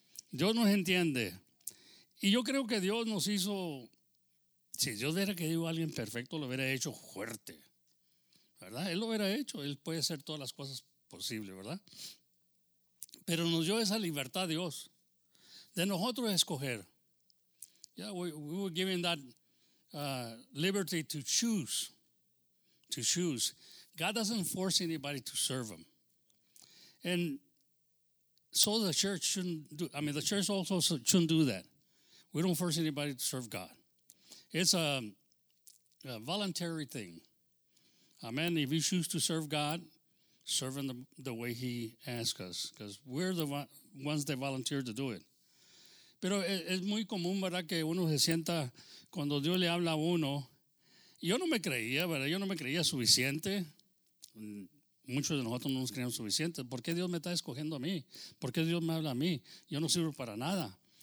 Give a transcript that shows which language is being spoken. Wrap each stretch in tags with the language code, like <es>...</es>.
<es>Dios nos entiende. Y yo creo que Dios nos hizo, si Dios hubiera querido a alguien perfecto, lo hubiera hecho fuerte. ¿Verdad? Él lo hubiera hecho. Él puede hacer todas las cosas posibles, ¿verdad? Pero nos dio esa libertad Dios de nosotros escoger.</es> <en>Yeah, we were given that liberty to choose. To choose. God doesn't force anybody to serve him. And so the church shouldn't do, I mean, the church also shouldn't do that. We don't force anybody to serve God. It's a voluntary thing. Amen. If you choose to serve God, serve in the way he asks us. Because we're the ones that volunteer to do it.</en> <es>Pero es muy común, ¿verdad?, que uno se sienta cuando Dios le habla a uno. Yo no me creía, ¿verdad? Yo no me creía suficiente. Muchos de nosotros no nos creíamos suficientes. ¿Por qué Dios me está escogiendo a mí? ¿Por qué Dios me habla a mí? Yo no sirvo para nada.</es>